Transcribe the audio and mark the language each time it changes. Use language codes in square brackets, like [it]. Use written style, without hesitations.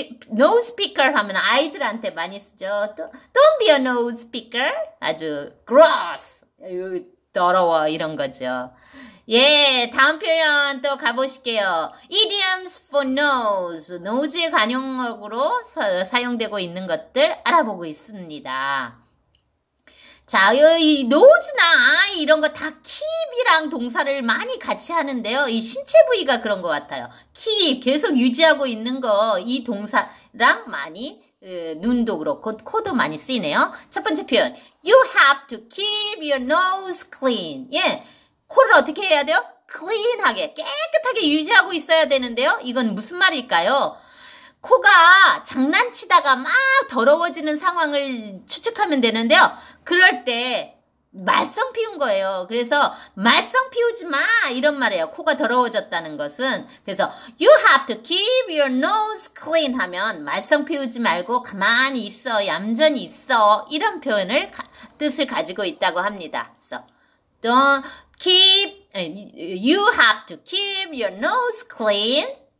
[en] Nose picker [ko] 하면 아이들한테 많이 쓰죠. [en] Don't be a nose picker. [ko] 아주 [en] gross. [ko] 더러워 이런 거죠. 예, 다음 표현 또 가보실게요. [en] Idioms for nose. [ko] 노즈의 관용어로 사용되고 있는 것들 알아보고 있습니다. 자, 이 nose나 이런 거다 keep이랑 동사를 많이 같이 하는데요. 이 신체 부위가 그런 것 같아요. keep, 계속 유지하고 있는 거, 이 동사랑 많이, 눈도 그렇고, 코도 많이 쓰이네요. 첫 번째 표현. [en] You have to keep your nose clean. [ko] 예. 코를 어떻게 해야 돼요? 클린하게, 깨끗하게 유지하고 있어야 되는데요. 이건 무슨 말일까요? 코가 장난치다가 막 더러워지는 상황을 추측하면 되는데요. 그럴 때 말썽 피운 거예요. 그래서 말썽 피우지 마! 이런 말이에요. 코가 더러워졌다는 것은. 그래서 [en] You have to keep your nose clean [ko] 하면 말썽 피우지 말고 가만히 있어. 얌전히 있어. 이런 표현을, 뜻을 가지고 있다고 합니다. [en] You have to keep your nose clean.